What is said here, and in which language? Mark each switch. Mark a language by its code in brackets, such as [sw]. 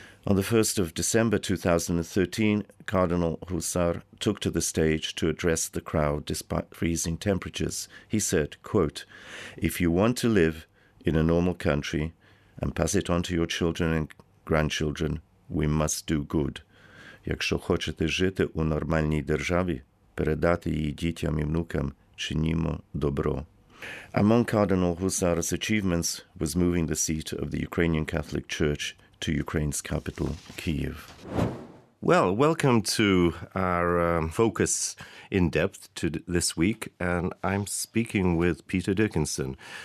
[en] On the 1st of December 2013, Cardinal Husar took to the stage to address the crowd despite freezing temperatures. He said, quote, "If you want to live in a normal country and pass it on to your children and grandchildren, we must do good. [uk] Якщо хочете жити у нормальній державі, передати її дітям і внукам, чинімо добро." [en] Among Cardinal Husar's achievements was moving the seat of the Ukrainian Catholic Church to Ukraine's capital, Kyiv. Well, welcome to our focus in depth to this week, and I'm speaking with Peter Dickinson.